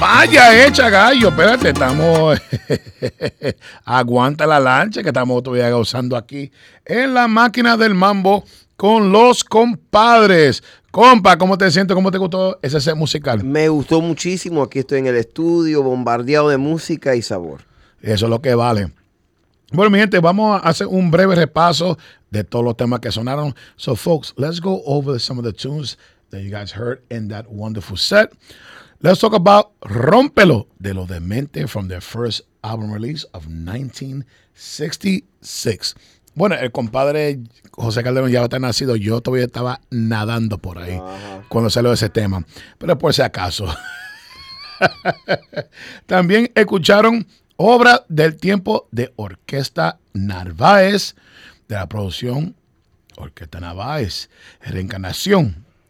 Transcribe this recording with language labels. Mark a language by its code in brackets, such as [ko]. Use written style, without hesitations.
[es] Ya hecha gallo, espérate, estamos aguanta la lancha que estamos todavía gozando aquí en la máquina del mambo con los compadres. Compa, ¿cómo te sientes? ¿Cómo te gustó ese set musical? Me gustó muchísimo. Aquí estoy en el estudio bombardeado de música y sabor. Eso es lo que vale. Bueno, mi gente, vamos a hacer un breve repaso de todos los temas que sonaron. [en] So folks, let's go over some of the tunes that you guys heard in that wonderful set. Let's talk about Rompelo de Los Dementes from their first album release of 1966. [es] Bueno, el compadre José Calderón ya está nacido. Yo todavía estaba nadando por ahí cuando salió ese tema. Pero por si acaso. También escucharon Obra del Tiempo de Orquesta Narváez, de la producción Orquesta Narváez, Reencarnación.